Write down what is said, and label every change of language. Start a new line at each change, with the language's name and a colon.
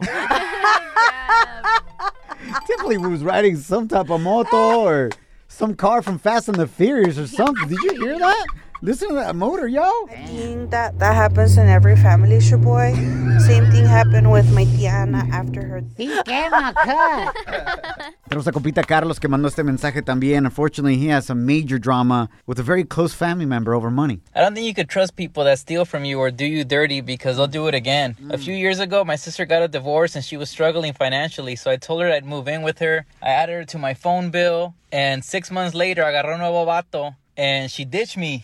English: Definitely was riding some type of moto or some car from Fast and the Furious or something. Did you hear that? Listen to that motor, yo. I think that happens in every family, Shaboy. Same thing happened with my tía Ana after her. ¿Qué maca?
Spanish: Tenemos a compita Carlos que mandó este mensaje también.
English: Unfortunately, he has some major drama with a very close family member over money. I don't think you could trust people that steal from you or do you dirty because they'll do it again. Mm. A few years ago, my sister got a divorce and she was struggling financially. So I told her I'd move in with her. I added her to my phone bill. And 6 months later,
Spanish: agarró nuevo vato.
English: And she ditched me.